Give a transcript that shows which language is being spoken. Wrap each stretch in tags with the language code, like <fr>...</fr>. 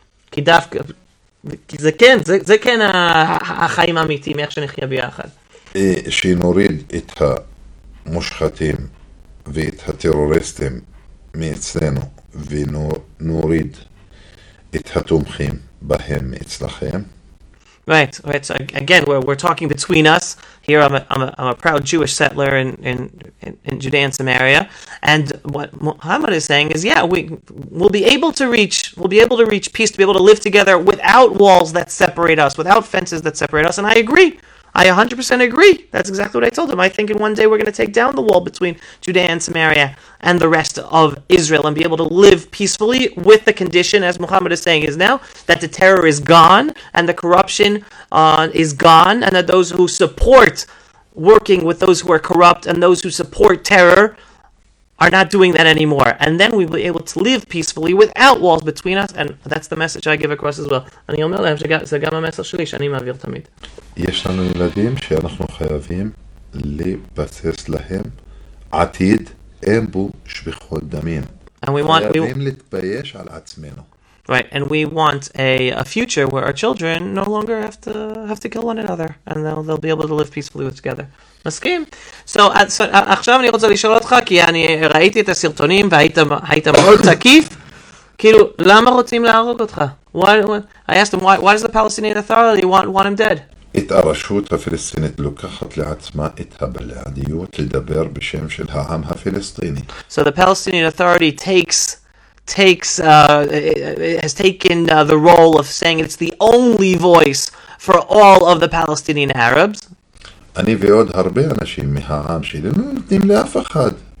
<he>כי דווקא, כי זה כן החיים האמיתיים, איך שנחיה ביחד. שנוריד את המושחתים, ואת הטרוריסטים מאצלנו, ונוריד את התומכים בהם מאצלכם.</he> <en>Right. So again, we're talking between us. Here I'm a proud Jewish settler in Judea and Samaria. And what Muhammad is saying is, yeah, we'll be able to reach peace, to be able to live together without walls that separate us, without fences that separate us. And I agree. I 100% agree. That's exactly what I told him. I think in one day we're going to take down the wall between Judea and Samaria and the rest of Israel and be able to live peacefully with the condition, as Muhammad is saying is now, that the terror is gone and the corruption is gone, and that those who support working with those who are corrupt and those who support terror are not doing that anymore. And then we will be able to live peacefully without walls between us. And that's the message I give across as well.</en> <he>אני אומר להם שזה גם המסר שלי שאני מעביר תמיד. יש לנו ילדים שאנחנו חייבים לבסס להם עתיד, אין בו שפיכות דמים. חייבים להתבייש על עצמנו.</he> <en>Right, and we want a future where our children no longer have to kill one another, and they'll be able to live peacefully together.</en> <he>מסכים? So, עכשיו אני רוצה לשאול אותך, כי אני ראיתי את הסרטונים והיית מאוד תקיף. כאילו, למה רוצים להרוג אותך?</he> <en>I asked him, why does the Palestinian Authority want him dead?</en> <he>את הרשות הפלסטינית לוקחת לעצמה את הבלעדיות לדבר בשם של העם הפלסטיני.</he> <en>So the Palestinian Authority has taken the role of saying it's the only voice for all of the Palestinian Arabs.</en> <he>אני ועוד הרבה אנשים מהעם שלי לא נותנים לאף אחד</he>